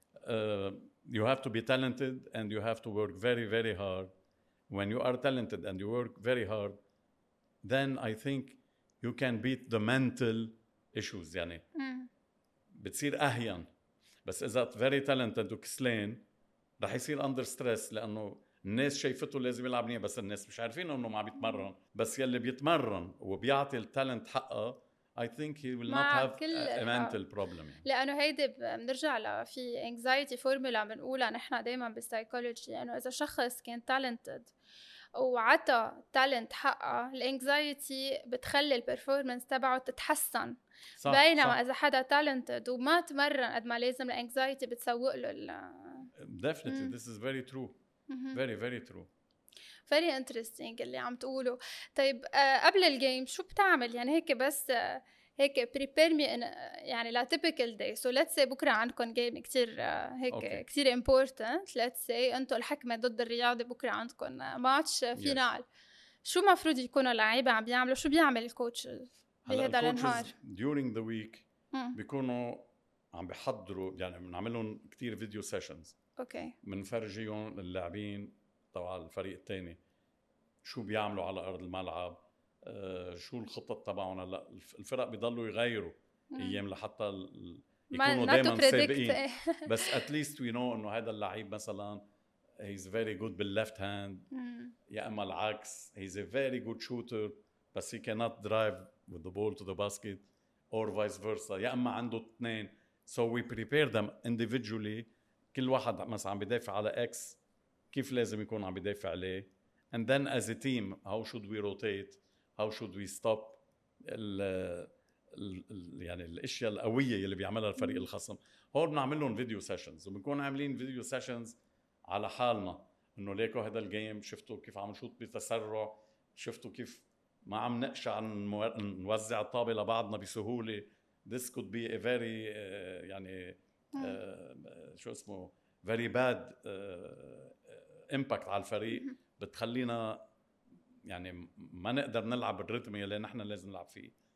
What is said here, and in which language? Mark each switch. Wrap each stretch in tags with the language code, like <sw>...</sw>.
<en>You have to be talented and you have to work very very hard. When you are talented and you work very hard then I think you can beat the mental issues</en> <ar>يعني بتصير أهين. بس إذا</ar> <en>very talented</en> <ar>وكسلين رح يصير</ar> <en>under stress</en> <ar>لأنه الناس شايفته لازم يلعب منيح بس الناس مش عارفين أنه ما بيتمرن، بس يلي بيتمرن وبيعطي التالنت حقه</ar> <en>I think he will not have a mental problem.</en> <ar>لأنه هيدا بنرجع له في</ar> <en>anxiety formula</en> <ar>بنقولها نحنا دائما بالسايكولوجي، إنه إذا شخص كان talented وعطى talent حقه ال anxiety بتخلي performance تبعه تتحسن، صح بينما صح. إذا حدا talented وما تمرن قد ما لازم ال anxiety بتسوق له</ar> <en>definitely this is very true very very true very interesting</en> <ar>اللي عم تقوله. طيب قبل الجيم شو بتعمل؟ يعني هيك بس</ar> <en>هيك prepare me in يعني la typical day. So let's say</en> <ar>بكرة عندكم</ar> <en>game كتير هيك okay.</en> <ar>كتير important.</ar> <en>Let's say</en> <ar>أنتوا الحكمة ضد الرياضة بكرة عندكم</ar> <en>match final. Yes.</en> <ar>شو مفروض يكونوا اللاعبة عم بيعملوا؟ شو بيعمل الكوتشز بهذا النهار؟</ar> <en>During the week</en> <ar>بيكونوا عم بيحضروا يعني بنعملهم كتير</ar> <en>video sessions. Okay.</en> <ar>منفرجيهم اللاعبين طبعا الفريق التاني شو بيعملوا على أرض الملعب. شو الخطة تبعهم؟ لا الفرق بيضلوا يغيروا أيام لحتى يكونوا دائما سابقين.</ar> <en>بس at least we know</en> <ar>إنه هذا اللعيب مثلا</ar> <en>he's very good بالleft hand.</en> <ar>يا أما العكس</ar> <en>he's a very good shooter بس he cannot drive with the ball to the basket or vice versa.</en> <ar>يا أما عنده اثنين.</ar> <en>So we prepare them individually.</en> <ar>كل واحد مثلا عم بيدافع على X كيف لازم يكون عم بيدافع عليه.</ar> <en>And then as a team how should we rotate, how should we stop</en> <ar>الـ يعني الاشياء القويه اللي بيعملها الفريق الخصم. هون بنعمل لهم فيديو سيشنز وبنكون عاملين فيديو سيشنز على حالنا انه ليكو هذا الجيم شفتوا كيف عم نشوط بتسرع, شفتوا كيف ما عم نقش عن نوزع الطابه لبعضنا بسهوله.</ar> <en>This could be a very</en> <ar>يعني شو اسمه</ar> <en>very bad impact</en> <ar>على الفريق, بتخلينا يعني ما نقدر نلعب بالريتم اللي نحن لازم نلعب فيه.</ar>